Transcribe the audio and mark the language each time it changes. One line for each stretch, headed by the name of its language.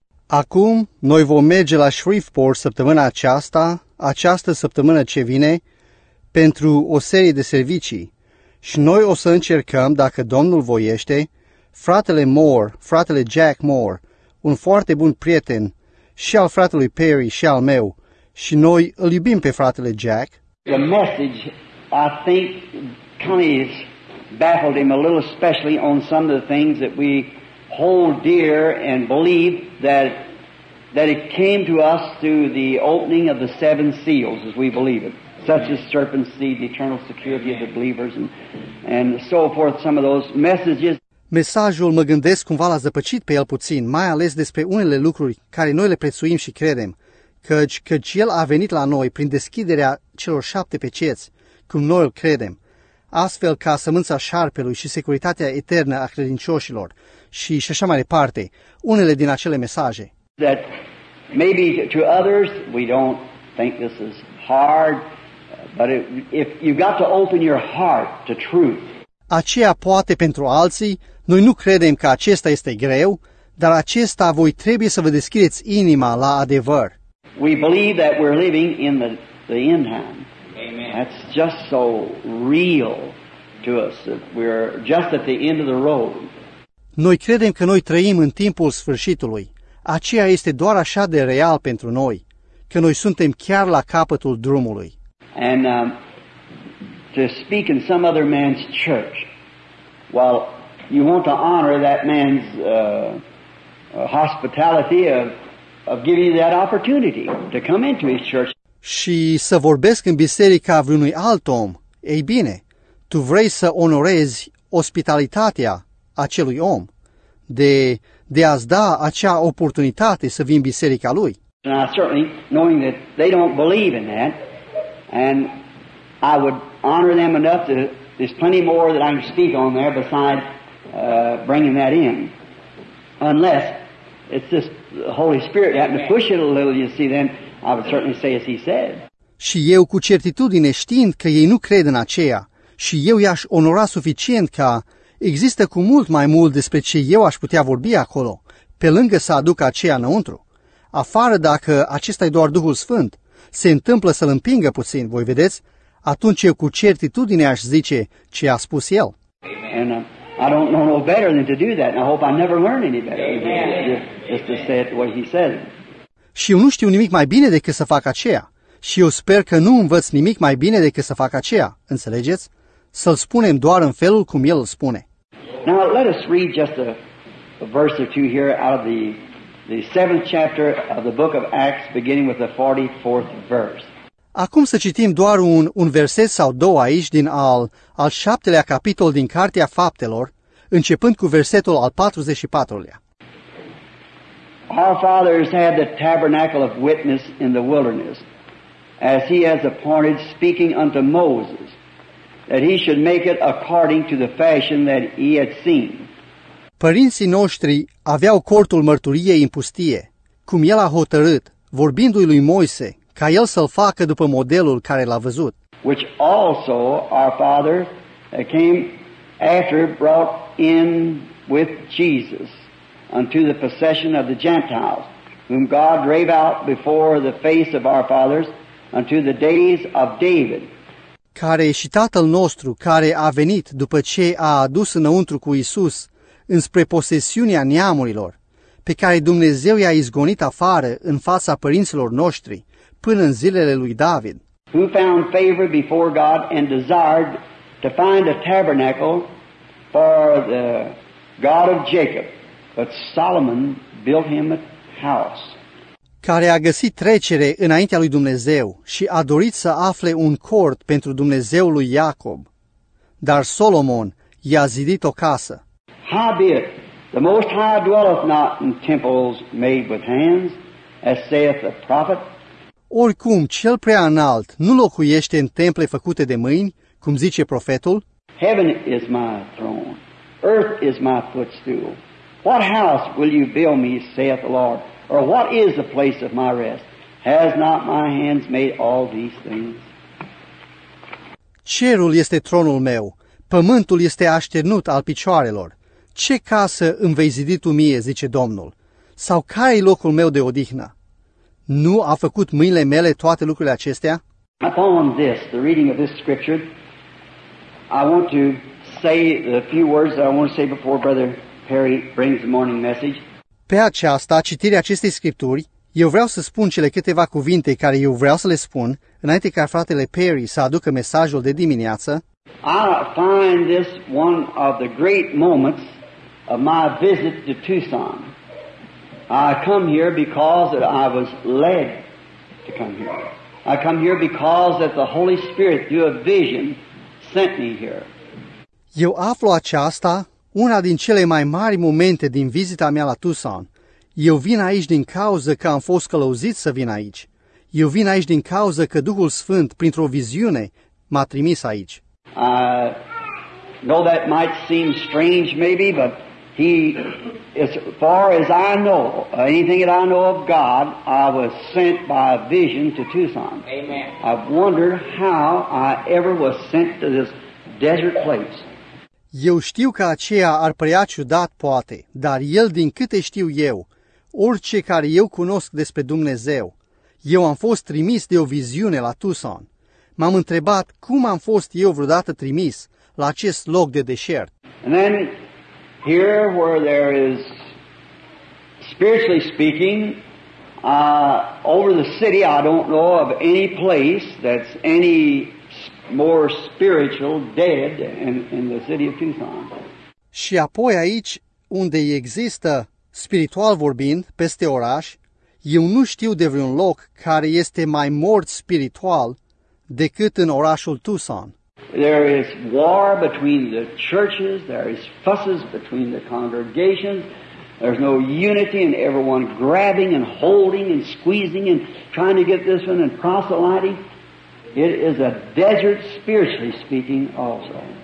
Romanian: Acum noi vom merge la Shreveport săptămâna aceasta, această săptămână ce vine, pentru o serie de servicii. Și noi o să încercăm, dacă Domnul voiește, fratele Moore, fratele Jack Moore, un foarte bun prieten și al fratelui Perry și al meu, și noi îl iubim pe fratele Jack.
English: The message, I think, kind of baffled him a little, especially on some of the things that we hold dear and believe that it came to us through the opening of the seven seals, as we believe it, such as serpent seed, the eternal security of the believers, and so forth, some of those messages.
Romanian: Mesajul, mă gândesc, cumva l-a zăpăcit pe el puțin, mai ales despre unele lucruri care noi le prețuim și credem, căci el a venit la noi prin deschiderea celor șapte peceți, cum noi îl credem, astfel ca sămânța șarpelui și securitatea eternă a credincioșilor și așa mai departe, unele din acele mesaje.
English: That maybe to others we don't think this is hard, but if you've got to open your heart to truth.
Romanian: Aceea poate pentru alții, noi nu credem că acesta este greu, dar acesta voi trebuie să vă deschideți inima la adevăr.
English: We believe that we're living in the end time. Amen. That's just so real to us. We're just at the end of the road.
Romanian: Noi credem că noi trăim în timpul sfârșitului. Aceea este doar așa de real pentru noi, că noi suntem chiar la capătul drumului.
English: And, to speak in some other man's church, well, you want to honor that man's hospitality of giving you that opportunity to come into his church.
Romanian: Și să vorbesc în biserica vreunui alt om, ei bine, tu vrei să onorezi ospitalitatea acelui om, de a-ți da acea oportunitate să vii în biserica lui.
English: Now, certainly, knowing that they don't believe in that, and I would honor them enough to, there's plenty more that I can speak on there besides bringing that in. Unless it's just the Holy Spirit happened to push it a little, you see, then I would certainly say as he said.
Romanian: Și eu cu certitudine știind că ei nu cred în aceea, și eu i-aș onora suficient ca există cu mult mai mult despre ce eu aș putea vorbi acolo, pe lângă să aduc aceea înăuntru. Afară dacă acesta e doar Duhul Sfânt, se întâmplă să-l împingă puțin, voi vedeți, atunci eu cu certitudine aș zice ce a spus el.
English: And I don't know no better than to do that, and I hope I never learn any better than just to say what he said.
Romanian: Și eu nu știu nimic mai bine decât să fac aceea, și eu sper că nu învăț nimic mai bine decât să fac aceea, înțelegeți? Să-l spunem doar în felul cum el îl spune.
English: Now let us read just a verse or two here out of the seventh chapter of the book of Acts, beginning with the 44th verse.
Romanian: Acum să citim doar un verset sau două aici din al șaptelea capitol din Cartea Faptelor, începând cu versetul al 44-lea.
English: Our fathers had the tabernacle of witness in the wilderness, as he has appointed, speaking unto Moses, that he should make it according to the fashion that he had seen.
Romanian: Părinții noștri aveau cortul mărturiei în pustie, cum el a hotărât, vorbindu-i lui Moise, ca el să-l facă după modelul care l-a văzut.
English: Which also our father came after brought in with Jesus unto the possession of the Gentiles, whom God drave out before the face of our fathers unto the days of David.
Romanian: Care și tatăl nostru, care a venit după ce a adus înăuntru cu Iisus înspre posesiunea neamurilor, pe care Dumnezeu i-a izgonit afară în fața părinților noștri, până în zilele lui David.
English: Who found favor before God and desired to find a tabernacle for the God of Jacob, but Solomon built him a house.
Romanian: Care a găsit trecere înaintea lui Dumnezeu și a dorit să afle un cort pentru Dumnezeul lui Iacob, dar Solomon i-a zidit o casă.
English: Howbeit, the Most High dwelleth not in temples made with hands, as saith the prophet.
Romanian: Oricum, cel prea înalt nu locuiește în temple făcute de mâini, cum zice profetul?
English: Heaven is my throne. Earth is my footstool. What house will you build me, saith the Lord? Or what is the place of my rest? Has not my hands made all these things?
Romanian: Cerul este tronul meu. Pământul este așternut al picioarelor. Ce casă îmi vei zidi tu mie, zice Domnul? Sau care e locul meu de odihnă? Nu a făcut mâinile mele toate lucrurile acestea?
English: Upon this, the reading of this scripture, I want to say a few words that I want to say before Brother Perry brings the morning message.
Romanian: Pe aceasta, citirea acestei scripturi, eu vreau să spun cele câteva cuvinte care eu vreau să le spun înainte ca fratele Perry să aducă mesajul de dimineață.
English: I find this one of the great moments of my visit to Tucson. I come here because I was led to come here. I come here because that the Holy Spirit, through a vision, sent me here.
Romanian: Eu aflu aceasta una din cele mai mari momente din vizita mea la Tucson. Eu vin aici din cauză că am fost călăuzit să vin aici. Eu vin aici din cauză că Duhul Sfânt, printr-o viziune, m-a trimis aici.
English: I know that might seem strange maybe, but he, as far as I know, anything that I know of God, I was sent by a vision to Tucson. Amen. I've wondered how I ever was sent to this desert place.
Romanian: Eu știu că aceea ar părea ciudat poate, dar el, din câte știu eu, orice care eu cunosc despre Dumnezeu, eu am fost trimis de o viziune la Tucson. M-am întrebat cum am fost eu vreodată trimis la acest loc de deșert.
English: And then, here where there is, spiritually speaking, over the city, I don't know of any place that's any more spiritual dead in the city of Tucson.
Romanian: Și apoi aici, unde există, spiritual vorbind, peste oraș, eu nu știu de vreun loc care este mai mort spiritual decât în orașul Tucson.
English: There is war between the churches, there is fusses between the congregations, there's no unity and everyone grabbing and holding and squeezing and trying to get this one and proselyting. It is a desert, spiritually speaking, also.